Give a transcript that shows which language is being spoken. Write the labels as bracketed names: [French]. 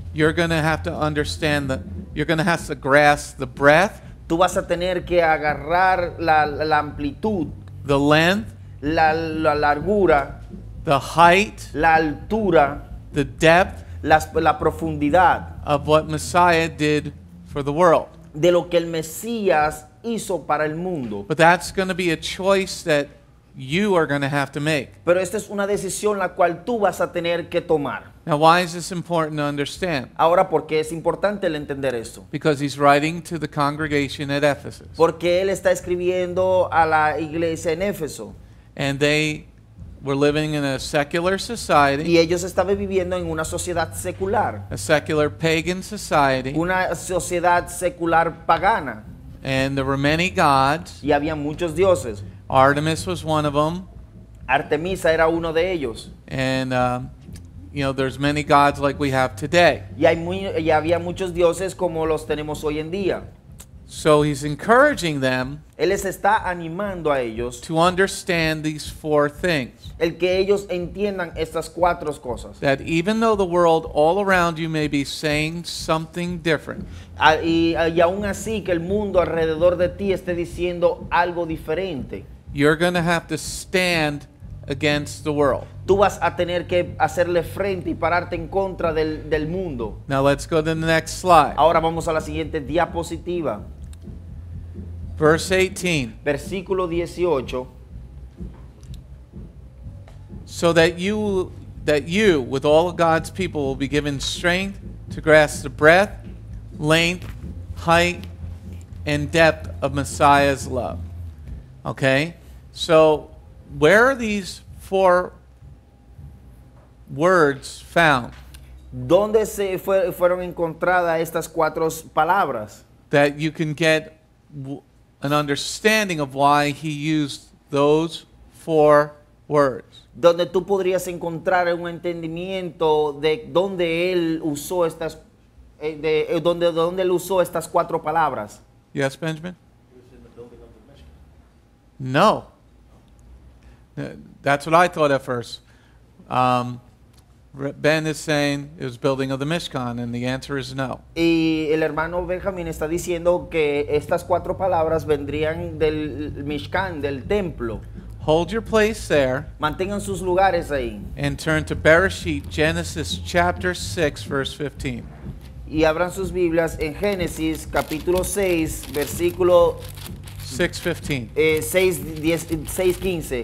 [English] you're going to have to understand that you're going to have to grasp the breadth. [Spanish] Tú vas a tener que agarrar la amplitud, [English] the length, [Spanish] la largura, [English] the height, [Spanish] la altura, [English] the depth, [Spanish] la profundidad, [English] of what Messiah did for the world, [Spanish] de lo que el Mesías hizo para el mundo. [English] But that's going to be a choice that you are going to have to make. [Spanish] Pero esta es una decisión la cual tú vas a tener que tomar. [English] Now, why is this important to understand? [Spanish] Ahora, ¿por qué es importante el entender esto? [English] Because he's writing to the congregation at Ephesus. [Spanish] Porque él está escribiendo a la iglesia en Éfeso. [English] And they were living in a secular society. [Spanish] Y ellos estaban viviendo en una sociedad secular. [English] A secular pagan society. [Spanish] Una sociedad secular pagana. [English] And there were many gods. [Spanish] Y había muchos dioses. [English] Artemis was one of them. [Spanish] Artemisa era uno de ellos. [English] And you know, there's many gods like we have today. [Spanish] Y había muchos dioses como los tenemos hoy en día. [English] So he's encouraging them. [Spanish] Él les está animando a ellos. [English] To understand these four things. [Spanish] El que ellos entiendan estas cuatro cosas. [English] That even though the world all around you may be saying something different. [Spanish] Y aún así que el mundo alrededor de ti esté diciendo algo diferente. [English] You're going to have to stand against the world. [Spanish] Tú vas a tener que hacerle frente y pararte en contra del mundo. [English] Now let's go to the next slide. [Spanish] Ahora vamos a la siguiente diapositiva. [English] Verse 18. [Spanish] Versículo 18. [English] So that you with all of God's people will be given strength to grasp the breadth, length, height, and depth of Messiah's love. Okay, so where are these four words found? [Spanish] ¿Dónde se fueron encontradas estas cuatro palabras? [English] That you can get an understanding of why he used those four words. [Spanish] Donde tú podrías encontrar un entendimiento de dónde él usó estas dónde él usó estas cuatro palabras. [English] Yes, Benjamin. No. That's what I thought at first. Ben is saying it was building of the Mishkan, and the answer is no. [Spanish] Y el hermano Benjamín está diciendo que estas cuatro palabras vendrían del Mishkan, del templo. [English] Hold your place there. [Spanish] Mantengan sus lugares ahí. [English] And turn to Bereshit, Genesis chapter 6, verse 15. [Spanish] Y abran sus Biblias en Génesis capítulo 6, versículo 6:15.